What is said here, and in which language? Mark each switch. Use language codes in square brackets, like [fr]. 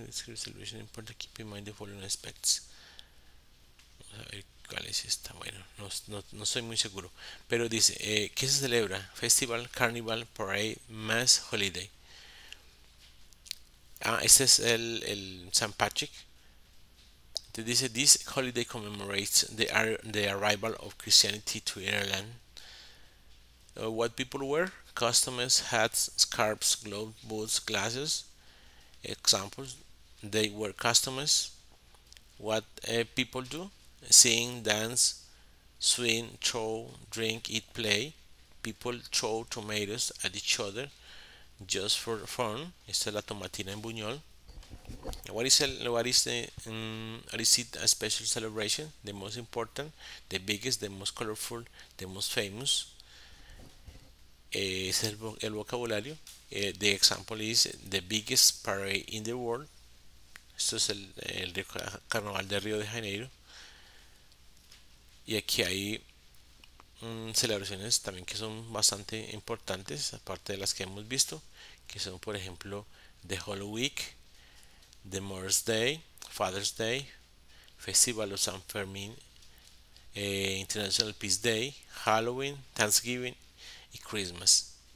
[en] Celebration important, keep in mind the following aspects. [es] Vamos a ver cuál es esta. Bueno, no estoy muy seguro, pero dice ¿qué se celebra? [en] Festival, Carnival, Parade, Mass, Holiday. [es] Ah, este es el St. Patrick. Entonces dice: [en] This holiday commemorates the arrival of Christianity to Ireland. What people wear? Customers, hats, scarves, gloves, boots, glasses. Examples: They were customers. What people do? Sing, dance, swim, throw, drink, eat, play. People throw tomatoes at each other just for fun. [es] Esta es la tomatina en Buñol. [en] What is a special celebration? The most important, the biggest, the most colorful, the most famous. [es] Es el vocabulario. [en] The example is the biggest parade in the world. [es] Esto es el carnaval de Río de Janeiro. Y aquí hay celebraciones también que son bastante importantes, aparte de las que hemos visto, que son, por ejemplo, the Holy Week, the Mother's Day, Father's Day, Festival of San Fermín, International Peace Day, Halloween, Thanksgiving y Christmas.